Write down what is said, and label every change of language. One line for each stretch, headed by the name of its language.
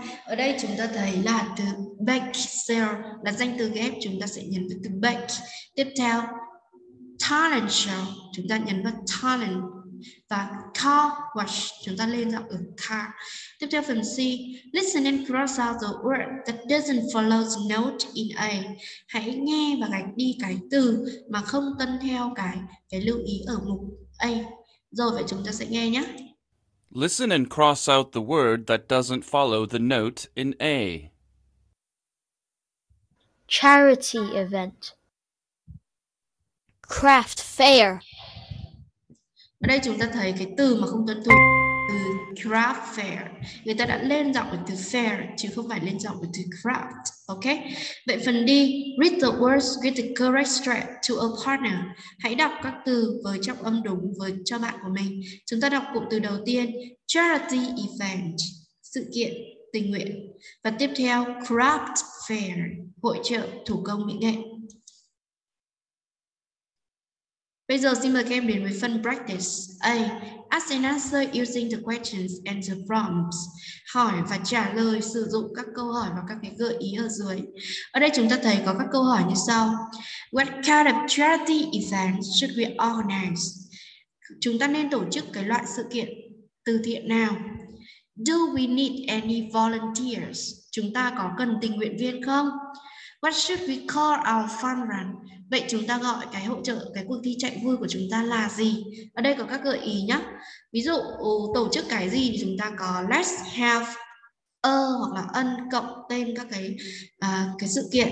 Vietnamese: Ở đây chúng ta thấy là từ bake sale là danh từ ghép, chúng ta sẽ nhấn vào từ bake. Tiếp theo, talent show, chúng ta nhấn vào talent. Và car wash, chúng ta lên giọng ở car. Tiếp theo phần C,
English: listen and cross out the word that doesn't follow the note in A.
Vietnamese: Hãy nghe và gạch đi cái từ mà không tuân theo cái lưu ý ở mục A. Rồi, vậy chúng ta sẽ nghe nhé.
English: Listen and cross out the word that doesn't follow the note in A. Charity event. Craft fair.
Vietnamese: Ở đây chúng ta thấy cái từ mà không tuân thủ từ craft fair. Người ta đã lên giọng từ fair chứ không phải lên giọng từ craft.
English: Okay?
Vietnamese: Vậy phần D,
English: read the words with the correct stress to a partner.
Vietnamese: Hãy đọc các từ với trọng âm đúng với cho bạn của mình. Chúng ta đọc cụm từ đầu tiên, charity event, sự kiện tình nguyện. Và tiếp theo, craft fair, hội chợ thủ công mỹ nghệ. Bây giờ xin mời các em đến với phần practice.
English: A, ask and answer using the questions and the prompts.
Vietnamese: Hỏi và trả lời sử dụng các câu hỏi và các cái gợi ý ở dưới. Ở đây chúng ta thấy có các câu hỏi như sau.
English: What kind of charity event should we organize?
Vietnamese: Chúng ta nên tổ chức cái loại sự kiện từ thiện nào?
English: Do we need any volunteers?
Vietnamese: Chúng ta có cần tình nguyện viên không?
English: What should we call our fun run?
Vietnamese: Vậy chúng ta gọi cái hỗ trợ, cái cuộc thi chạy vui của chúng ta là gì? Ở đây có các gợi ý nhé. Ví dụ tổ chức cái gì thì chúng ta có
English: let's have a
Vietnamese: hoặc là an cộng tên các cái sự kiện.